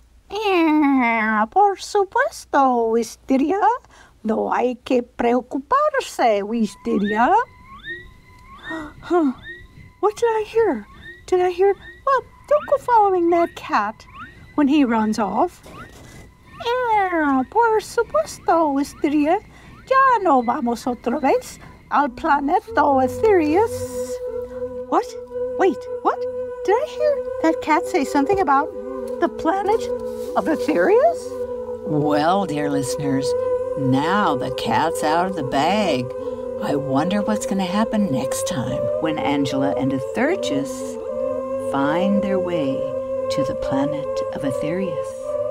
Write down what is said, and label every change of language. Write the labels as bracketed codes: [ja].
[en] Yeah, [es] por supuesto, Wisteria. No hay que preocuparse, Wisteria. [en] Huh. What did I hear? Did I hear? Well, don't go following that cat when he runs off. Yeah, [es] por supuesto, Wisteria. Ya no vamos otra vez al planeta Aetherius. [en] What? Wait, what? Did I hear that cat say something about the planet of Aetherius? Well, dear listeners, now the cat's out of the bag. I wonder what's going to happen next time when Angela and AEthergis find their way to the planet of Aetherius.